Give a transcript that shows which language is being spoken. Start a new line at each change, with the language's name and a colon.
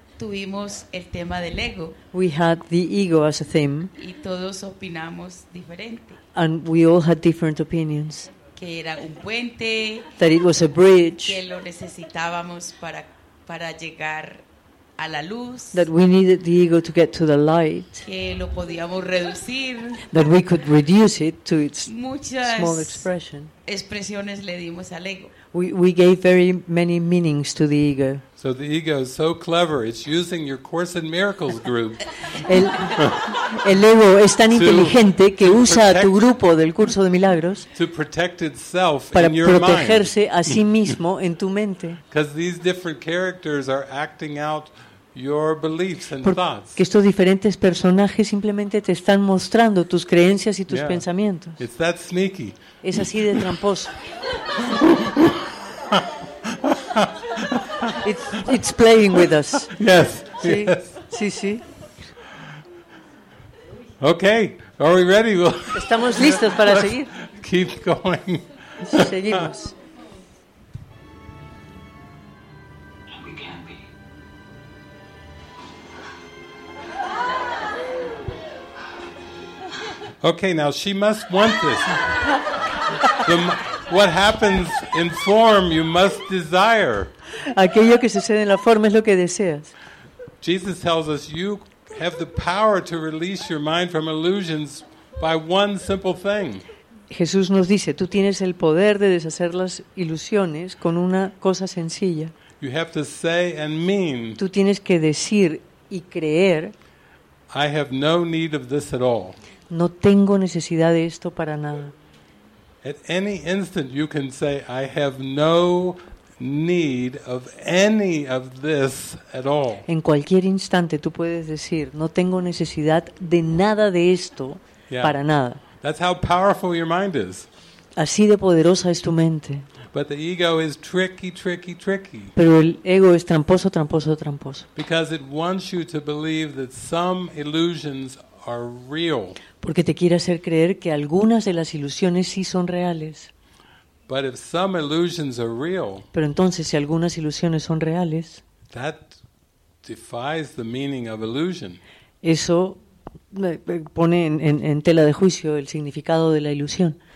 Spanish: tuvimos el tema del ego.
English: We had the ego as a theme.
Spanish: Y todos opinamos diferente.
English: And we all had different opinions.
Spanish: Que era un puente.
English: That it was a bridge.
Spanish: Que lo necesitábamos para llegar a la luz.
English: That we needed the ego to get to the light.
Spanish: Que lo podíamos reducir.
English: That we could reduce it to its
Spanish: Muchas
English: small expression.
Spanish: Expresiones le dimos al ego.
English: We gave very many meanings to the ego. So the ego is so clever. It's using your Course in Miracles group.
Spanish: El ego es tan inteligente que usa a tu grupo del curso de milagros
English: to protect itself
Spanish: para
English: in your
Spanish: protegerse
English: mind.
Spanish: A sí mismo en tu mente.
English: Because these different characters are acting out your beliefs and thoughts.
Spanish: Que estos diferentes personajes simplemente te están mostrando tus creencias y tus
English: yeah.
Spanish: pensamientos.
English: It's that sneaky.
Spanish: Es así de tramposo.
English: It's playing with us. Yes.
Spanish: Sí.
English: Yes.
Spanish: Sí, sí.
English: Okay. Are we ready?
Spanish: Estamos listos para seguir.
English: Keep going.
Spanish: Seguimos.
English: Okay, now she must want this. What happens in form, you must desire.
Spanish: Aquello que sucede en la forma es lo que deseas.
English: Jesus tells us you have the power to release your mind from illusions by one simple thing.
Spanish: Jesús nos dice, tú tienes el poder de deshacer las ilusiones con una cosa sencilla.
English: You have to say and mean.
Spanish: Tú tienes que decir y creer.
English: I have no need of this at all.
Spanish: No tengo necesidad de esto para nada.
English: At any instant you can say, I have no need of any of this at all.
Spanish: En cualquier instante tú puedes decir, no tengo necesidad de nada de esto
English: yeah.
Spanish: para nada.
English: That's how powerful your mind is.
Spanish: Así de poderosa es tu mente.
English: But the ego is tricky, tricky, tricky.
Spanish: Pero el ego es tramposo, tramposo, tramposo.
English: Because it wants you to believe that some illusions are real.
Spanish: Porque te quiere hacer creer que algunas de las ilusiones sí son reales.
English: But if some illusions are real,
Spanish: pero entonces si algunas ilusiones son reales,
English: that defies the meaning of illusion.
Spanish: Eso pone en tela de juicio el significado de la ilusión.